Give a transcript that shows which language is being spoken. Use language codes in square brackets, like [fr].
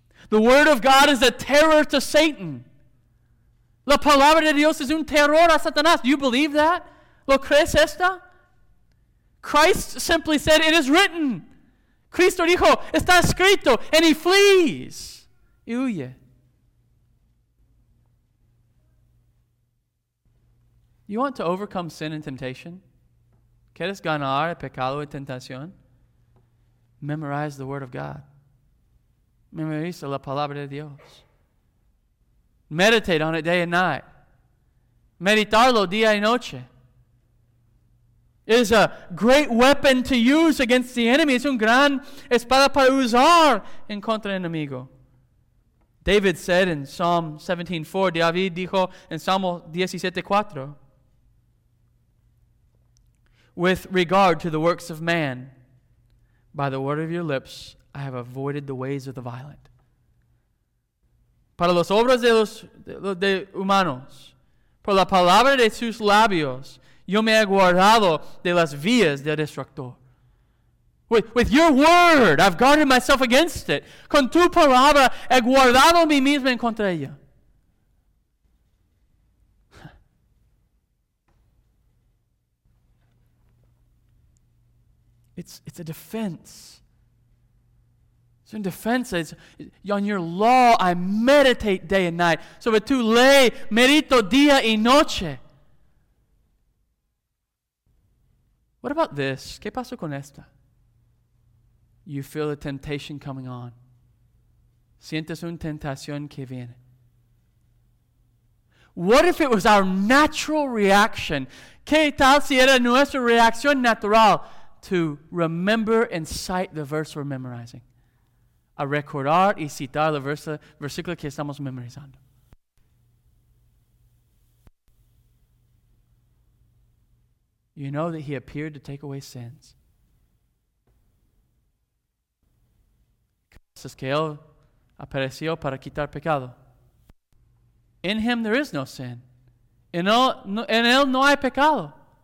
[en] The word of God is a terror to Satan. [es] La palabra de Dios es un terror a Satanás. [en] Do you believe that? [es] ¿Lo crees esta? [en] Christ simply said, it is written. [es] Cristo dijo, está escrito. [en] And he flees. [es] Y huye. [en] You want to overcome sin and temptation? [es] ¿Quieres ganar el pecado y tentación? [en] Memorize the word of God. [es] Memoriza la palabra de Dios. [en] Meditate on it day and night. [es] Meditarlo día y noche. [en] It is a great weapon to use against the enemy. [es] Es un gran espada para usar en contra del enemigo. [en] David said in Psalm 17:4, [es] David dijo en Salmo 17:4, [en] with regard to the works of man, by the word of your lips, I have avoided the ways of the violent. [es] Para las obras de humanos, por la palabra de sus labios, yo me he guardado de las vías del destructor. [en] With your word, I've guarded myself against it. [es] Con tu palabra, he guardado mi mismo en contra ella. [en] It's a defense. In defense, on your law, I meditate day and night. [es] Sobre tu ley, medito día y noche. [en] What about this? [es] ¿Qué pasó con esta? [en] You feel a temptation coming on. [es] Sientes una tentación que viene. [en] What if it was our natural reaction? [es] ¿Qué tal si era nuestra reacción natural? [en] To remember and cite the verse we're memorizing. [es] A recordar y citar el versículo que estamos memorizando. [en] You know that he appeared to take away sins. [es] Es que él apareció para quitar pecado. [en] In him there is no sin. [es] En él no hay pecado.